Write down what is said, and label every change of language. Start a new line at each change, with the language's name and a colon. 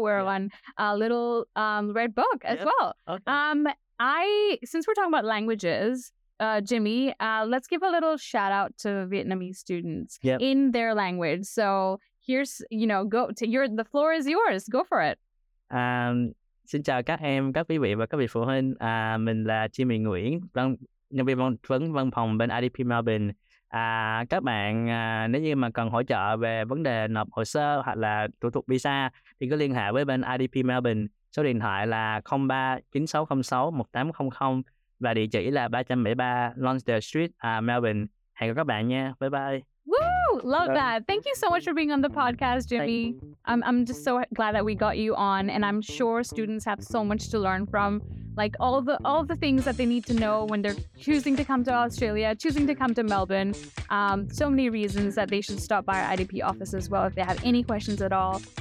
English: We're on a little Red Book as well. Okay. Since we're talking about languages, Jimmy, let's give a little shout out to Vietnamese students in their language. So here's, you know, the floor is yours. Go for it.
Vietnamese: Xin chào các em, các quý vị và các vị phụ huynh. Mình là Jimmy Nguyễn, nhân viên văn phòng bên IDP Melbourne. Các bạn nếu như mà cần hỗ trợ về vấn đề nộp hồ sơ hoặc là thủ tục visa thì cứ liên hệ với bên IDP Melbourne, số điện thoại là 0396061800 và địa chỉ là 373 Lonsdale Street, Melbourne. Hẹn gặp các bạn nha, bye bye.
English: Woo, love that. Thank you so much for being on the podcast, Jimmy. I'm just so glad that we got you on, and I'm sure students have so much to learn from. Like all the things that they need to know when they're choosing to come to Australia, choosing to come to Melbourne. So many reasons that they should stop by our IDP office as well if they have any questions at all.